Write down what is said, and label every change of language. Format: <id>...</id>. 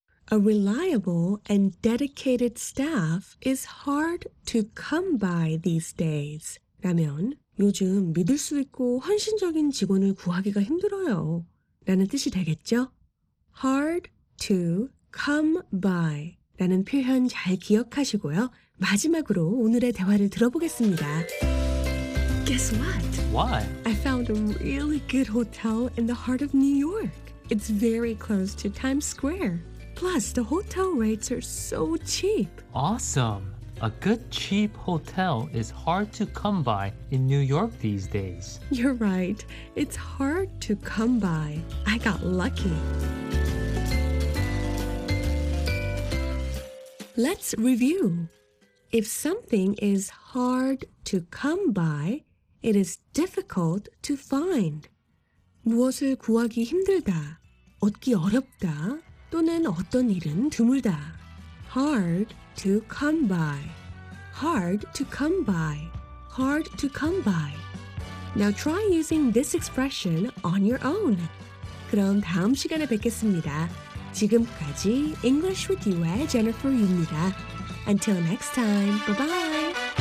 <en>A reliable and dedicated staff is hard to come by these days.</en> <ko>라면 요즘 믿을 수 있고 헌신적인 직원을 구하기가 힘들어요. 라는 뜻이 되겠죠?</ko> <en>Hard to come by</en> <ko>라는 표현 잘 기억하시고요. 마지막으로 오늘의 대화를 들어보겠습니다.</ko> <en>Guess what? What? I found a really good hotel in the heart of New York. It's very close to Times Square. Plus, the hotel rates are so cheap. Awesome. A good cheap hotel is hard to come by in New York these days. You're right. It's hard to come by. I got lucky. Let's review. If something is hard to come by, it is difficult to find.</en> <ko>무엇을 구하기 힘들다, 얻기 어렵다, 또는 어떤 일은 드물다.</ko> <en>Hard to come by. Hard to come by. Hard to come by. Now try using this expression on your own.</en> <ko>그럼 다음 시간에 뵙겠습니다. 지금까지 English with You의 Jennifer Yu입니다.</ko> <en>Until next time, bye-bye.</en>